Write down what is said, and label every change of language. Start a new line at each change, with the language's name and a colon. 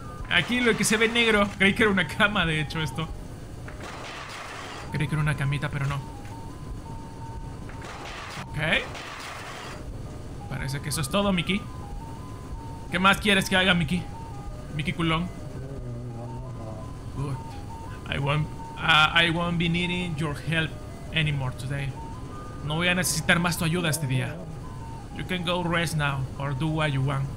Spanish: Aquí lo que se ve negro. Creí que era una cama, de hecho, esto. Creí que era una camita, pero no. Ok. Parece que eso es todo, Mickey. ¿Qué más quieres que haga, Mickey? Mickey culón. Good.
English: I won't be needing your help anymore today.
Spanish: No voy a necesitar más tu ayuda este día.
English: You can go rest now or do what you want.